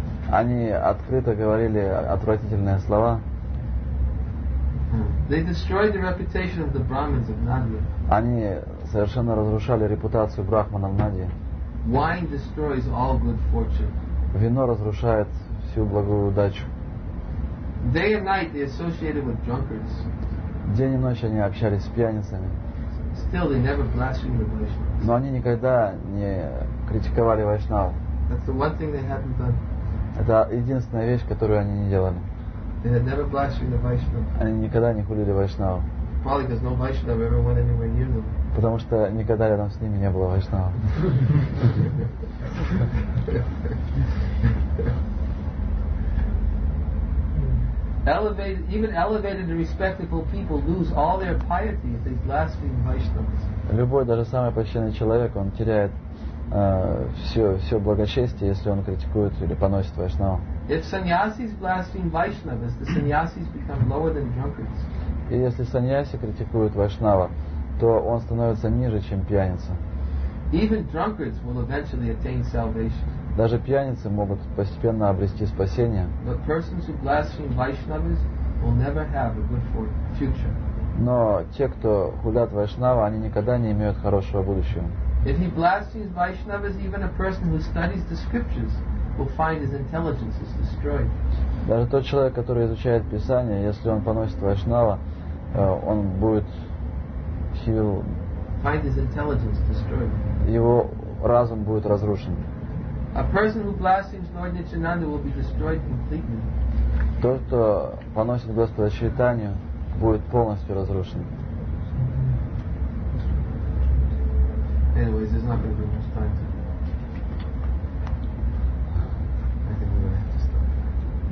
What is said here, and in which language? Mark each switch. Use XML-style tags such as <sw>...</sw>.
<ru>Они открыто говорили отвратительные слова.</ru> <en>They destroyed the reputation of the Brahmins of Nadia.</en> <ru>Они совершенно разрушали репутацию брахманов Нади.</ru> <en>Wine destroys all good fortune.</en> <ru>Вино разрушает всю благую удачу.</ru> <en>Day and night they associated with drunkards.</en> <ru>День и ночь они общались с пьяницами.</ru> <en>Still they never blasphemed the Vaishnavas.</en> <ru>Но они никогда не критиковали вайшнав.</ru> <en>That's the one thing they hadn't done.</en> <ru>Это единственная вещь, которую они не делали.</ru> <en>They had never blasphemed the Vaishnavas.</en> <ru>Они никогда не хулили вайшнав.</ru> <en>Probably because no Vaishnava ever went anywhere near them.</en> <ru>Потому что никогда рядом с ними не было вайшнава.</ru> <en>Even elevated and respectable people lose all their piety if they blaspheme Vaishnavas.</en> <ru>Любой, даже самый почтенный человек, он теряет все благочестие, если он критикует или поносит вайшнава.</ru> <en>If sannyasis blaspheme Vaishnavas, the sannyasis become lower than drunkards.</en> <ru>И если саньяси критикуют вайшнава, то он становится ниже, чем пьяница.</ru> <en>Even drunkards will eventually attain salvation.</en> <ru>Даже пьяницы могут постепенно обрести спасение.</ru> <en>But persons who blaspheme Vaishnavas will never have a good future.</en> <ru>Но те, кто хулят вайшнава, они никогда не имеют хорошего будущего.</ru> <en>If he blasphemes Vaishnavas, even a person who studies the scriptures will find his intelligence is destroyed.</en> <ru>Даже тот человек, который изучает Писание, если он поносит вайшнава, он будет хил.</ru> <en>Find his intelligence destroyed.</en> <ru>Его разум будет разрушен.</ru> <en>A person who blasphemes Lord Nityananda will be destroyed completely.</en> <ru>Тот, кто поносит Господа Чайтанью, будет полностью разрушен.</ru> <en>Anyways, there's not going to be much time to... I think we're going to have to stop.</en>